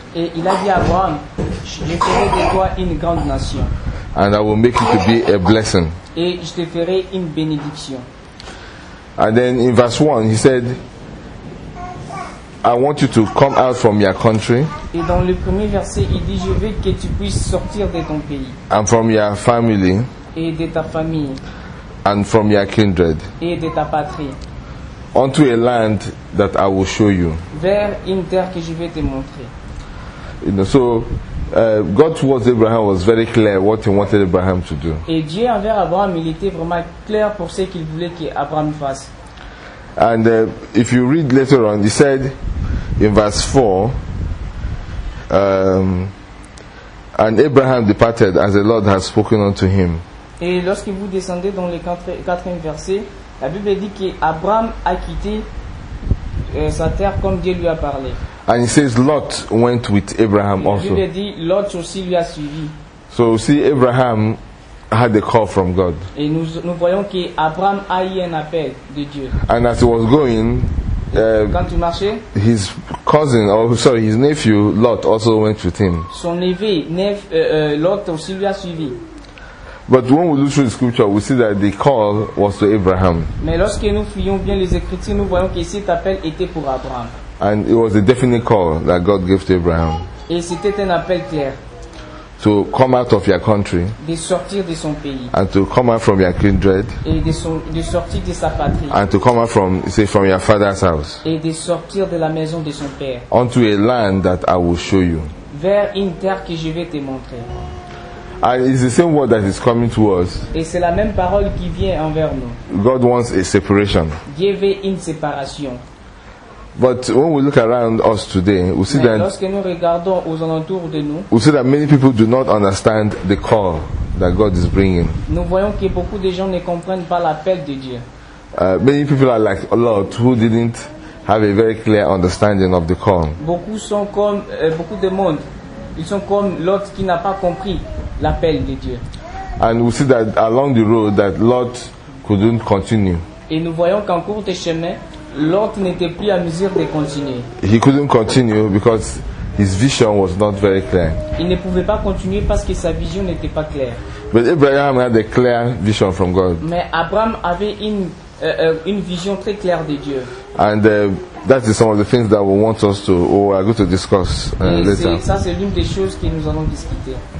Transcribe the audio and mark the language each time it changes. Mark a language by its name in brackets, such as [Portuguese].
[French] Et il a dit à Abraham, je ferai de toi une grande nation. [English] And I will make you to be a blessing. [French] Et je te ferai une bénédiction. [English] And then in verse 1, he said, I want you to come out from your country. [French] Et dans le premier verset, il dit, je veux que tu puisses sortir de ton pays. [English] And from your family. [French] Et de ta famille. [English] And from your kindred. [French] Et de ta patrie. [English] Unto a land that I will show you. [French] Vers une terre que je vais te montrer. [English] You know, so God towards Abraham was very clear what he wanted Abraham to do. [French] Et Dieu envers Abraham, il était vraiment clair pour ce qu'il voulait que Abraham fasse. [English] And if you read later on, he said in verse 4, and Abraham departed as the Lord had spoken unto him. [French] Et lorsque vous descendez dans le quatrième verset, la Bible dit que Abraham a quitté sa terre comme Dieu lui a parlé. [English] And he says Lot went with Abraham also. [French] La Bible dit Lot aussi lui a suivi. [English] So see, Abraham had a call from God. [French] Et nous voyons que Abraham a eu un appel de Dieu. [English] And as he was going, [French] Quand tu marchais, [English] his cousin, or sorry, his nephew Lot also went with him. [French] Son neveu, Lot aussi lui a suivi. [English] But when we look through the scripture, we see that the call was to Abraham. [French] Mais lorsque nous fuyons bien les écritures, nous voyons que cet appel était pour Abraham. [English] And it was a definite call that God gave to Abraham. [French] Et c'était un appel clair. [English] To come out of your country. [French] De sortir de son pays. [English] And to come out from your kindred. [French] Et de sortir de sa patrie. [English] And to come out from, say, from your father's house. [French] Et de sortir de la maison de son père. [English] Unto a land that I will show you. [French] Vers une terre que je vais te montrer. [English] And it's the same word that is coming to us. [French] Et c'est la même parole qui vient envers nous. [English] God wants a separation. [French] Dieu veut une séparation. [English] But when we look around us today, we see [French] mais [English] that [French] lorsque nous regardons aux alentours de nous, [English] we see that many people do not understand the call that God is bringing. [French] Nous voyons que beaucoup de gens ne comprennent pas l'appel de Dieu. [English] Many people are like a lot who didn't have a very clear understanding of the call. [French] Beaucoup sont comme beaucoup de monde. Ils sont comme Lot qui n'a pas compris l'appel de Dieu. [English] And we see that along the road that Lot couldn't continue. [French] Et nous voyons qu'en cours de chemin, Lot n'était plus à mesure de continuer. [English] He couldn't continue because his vision was not very clear. [French] Il ne pouvait pas continuer parce que sa vision n'était pas claire. [English] But Abraham had a clear vision from God. [French] Mais Abraham avait une vision très claire de Dieu. [English] And that is some of the things that we want us to or are going to discuss later. [French] Ça c'est l'une des choses que nous allons discuter.